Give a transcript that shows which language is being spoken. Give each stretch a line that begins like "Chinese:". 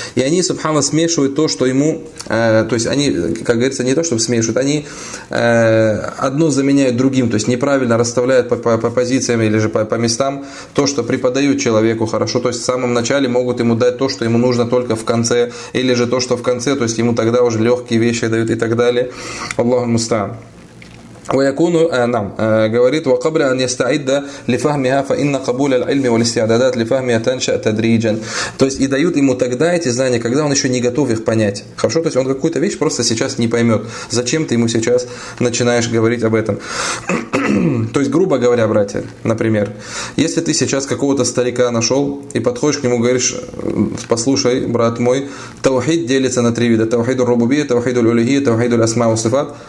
Russian: И они, субханаллах, смешивают то, что ему, то есть они, как говорится, не то, чтобы смешивают, они одно заменяют другим, то есть неправильно расставляют по позициям или же по местам то, что преподают человеку, хорошо, то есть в самом начале могут ему дать то, что ему нужно только в конце. Или же то, что в конце, то есть ему тогда уже легкие вещи дают и так далее. Аллаху мустаан.
Arabic: ويكون نعم
Russian: говорит
Arabic: وقبل ان يستعد لفهمها فان قبول العلم والاستعدادات لفهمها تنشا تدريجا.
Russian: То есть и дают ему тогда эти знания, когда он еще не готов их понять. Хорошо, то есть он какую-то вещь просто сейчас не поймет. Зачем ты ему сейчас начинаешь говорить об этом? То есть, грубо говоря, братья, например, если ты сейчас какого-то старика нашел и подходишь к нему, говоришь: послушай, брат мой, таухид делится на три вида: таухид ар-рубубия, таухид ар-улухия, таухид ар-асма ва-сифат.